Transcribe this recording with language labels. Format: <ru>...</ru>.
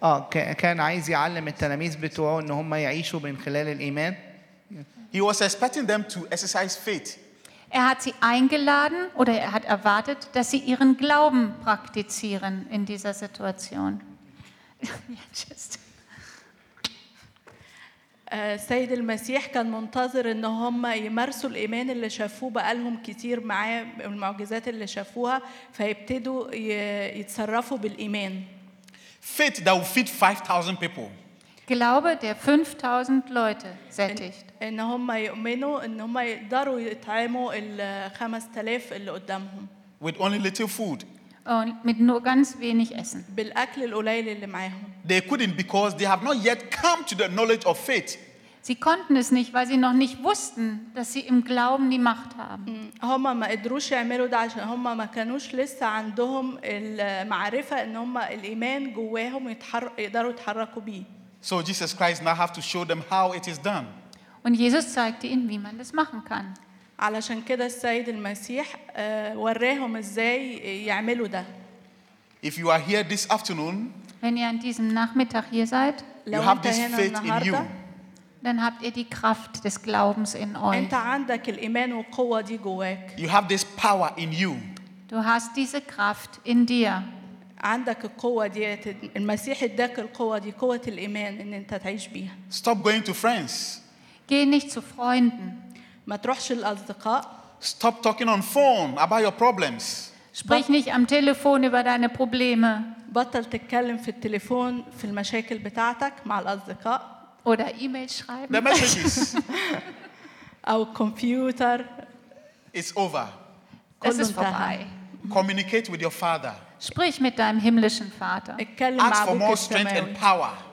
<ar>كان عايز يعلم التلاميذ بتوعه ان هم يعيشوا من خلال الايمان.</ar> <en>He was expecting them to exercise faith.</en> <de>Er hat sie eingeladen oder er hat erwartet, dass sie ihren Glauben praktizieren in dieser Situation.</de> <ar>سيد المسيح كان منتظر ان هم يمارسوا الايمان اللي شافوه بقالهم كتير معاه المعجزات اللي شافوها فيبتدوا يتصرفوا بالايمان.</ar> <en>Faith that will feed 5000 people.</en> <de>Glaube, der 5000 Leute sättigt.</de> <ar>ان هم يؤمنوا ان هم يقدروا يطعموا ال 5000 اللي قدامهم.</ar> <en>With only little food.</en> <de>Mit nur ganz wenig Essen.</de> <ar>بالاكل القليل اللي معاهم.</ar> <en>They couldn't because they have not yet come to the knowledge of faith.</en> <de>Sie konnten es nicht, weil sie noch nicht wussten, dass sie im Glauben die Macht haben.</de> <ar>هم ما قدروش يعملوا ده عشان هم ما كانوش لسه عندهم المعرفه ان هم الايمان جواهم يقدروا يتحركوا بيه.</ar> <en>So Jesus Christ now have to show them how it is done.</en> <de>Und Jesus zeigte ihnen, wie man das machen kann.</de> <ar>علشان كده السيد المسيح وراهم ازاي يعملوا ده.</ar> <en>If you are here this afternoon,</en> <de>wenn ihr an diesem Nachmittag hier seid,</de> <en>you have this faith in you.</en> <de>Dann habt ihr die Kraft des Glaubens in euch.</de> <ar>انت عندك الايمان والقوه دي جواك.</ar> <en>You have this power in you.</en> <de>Du hast diese Kraft in dir.</de> <ar>عندك القوة دي المسيح اداك القوة دي قوة الإيمان إن أنت تعيش بيها.</ar> <en>Stop going to friends.</en> <de>Geh nicht zu Freunden.</de> <ar>ما تروحش الأصدقاء.</ar> <en>Stop talking on phone about your problems.</en> <de>Sprich nicht am Telefon über deine Probleme.</de> <ar>بطل تتكلم في التليفون في المشاكل بتاعتك مع الأصدقاء.</ar> <de>Oder E-Mail schreiben.</de> <en>The messages.</en> <de>Auf Computer.</de> <en>It's over.</en> <de>Es ist vorbei.</de> <en>Communicate with your father.</en> <de>Sprich mit deinem himmlischen Vater.</de> <en>Ask for more strength and power.</en>